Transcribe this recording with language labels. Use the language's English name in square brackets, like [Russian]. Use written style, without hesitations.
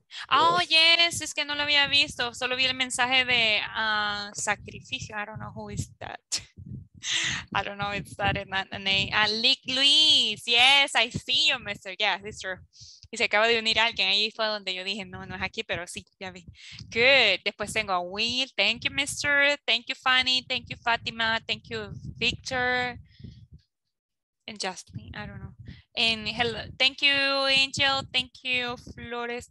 [English] Oh, yes, [Spanish] es que no lo había visto. Solo vi el mensaje de sacrificio. [English] I don't know who is that. I don't know if that is not a name. Luis, yes, I see you, mister. Yeah, this is true. [Spanish] Y se acaba de unir alguien. Ahí fue donde yo dije, no, no es aquí, pero sí, ya vi. [English] Good. [Spanish] Después tengo a Will. [English] Thank you, mister. Thank you, Fanny. Thank you, Fatima. Thank you, Victor. And Justin, I don't know. And hello, thank you, Angel. Thank you, Flores.